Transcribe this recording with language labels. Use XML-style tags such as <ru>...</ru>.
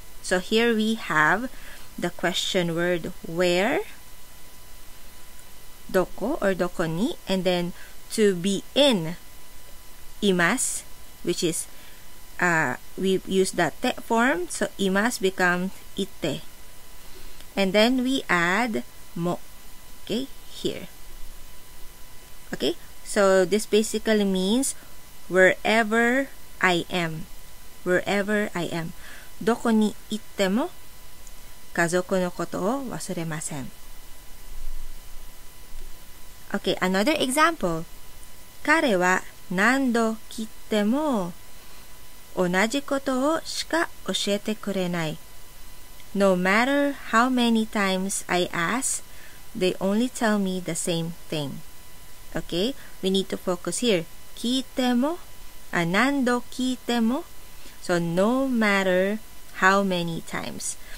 <en>So here we have the question word where, どこ or どこに, and then to be in, います, which is, we use the te form, so います becomes itte. And then we add mo, okay, here. Okay, so this basically means wherever I am. Wherever I am.</en> <ja>どこに行っても家族のことを忘れません。</ja> <en>Okay, another example.</en> <ja>彼は何度切っても同じことをしか教えてくれない。</ja> <en>No matter how many times I ask, they only tell me the same thing. Okay, we need to focus here.</en> <ja>聞いても、何度聞いても、</ja> <en>So, no matter how many times.</en>